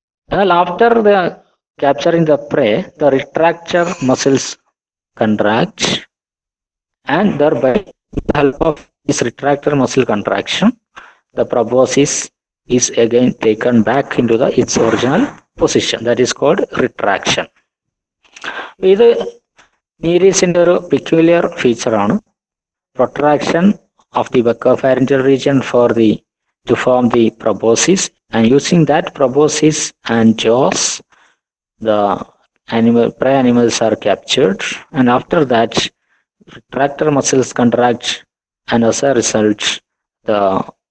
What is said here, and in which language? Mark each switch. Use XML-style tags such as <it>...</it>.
<en>Now after the capturing the prey, the retractor muscles contract, and thereby with the help of this retractor muscle contraction, the proboscis is again taken back into the its original position. That is called retraction.</en> <ml>ഇത് നീരീസിൻ്റെ ഒരു peculiar ഫീച്ചറാണ്.</ml> <en>protraction of the buccopharyngeal region for the to form the proboscis, and using that proboscis and jaws, the animal, prey animals are captured, and after that retractor muscles contract, and as a result the</en>